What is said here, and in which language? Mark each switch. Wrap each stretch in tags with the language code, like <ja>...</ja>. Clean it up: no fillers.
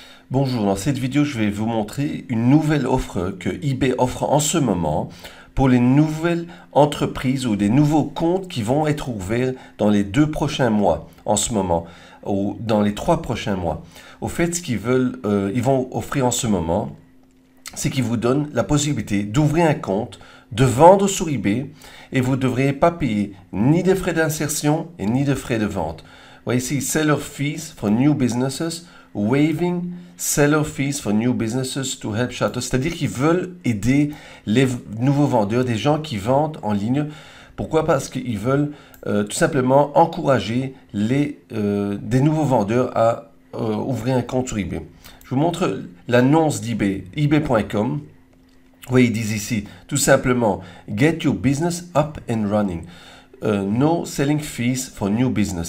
<fr>Bonjour, dans cette vidéo, je vais vous montrer une nouvelle offre que eBay offre en ce moment pour les nouvelles entreprises ou des nouveaux comptes qui vont être ouverts dans les 2 prochains mois en ce moment ou dans les 3 prochains mois. Au fait, ce qu'ils veulent, ils vont offrir en ce moment, c'est qu'ils vous donnent la possibilité d'ouvrir un compte, de vendre sur eBay et vous ne devriez pas payer ni des frais d'insertion et ni de frais de vente. Voyez ici,</fr> <en>seller fees for new businesses, waiving seller fees for new businesses to help shutters.</en> <fr>C'est-à-dire qu'ils veulent aider les nouveaux vendeurs, des gens qui vendent en ligne. Pourquoi? Parce qu'ils veulent tout simplement encourager des nouveaux vendeurs à ouvrir un compte sur eBay. Je vous montre l'annonce d'eBay, eBay.com. Vous voyez, ils disent ici tout simplement</fr> <en>Get your business up and running. No selling fees for new business.</en>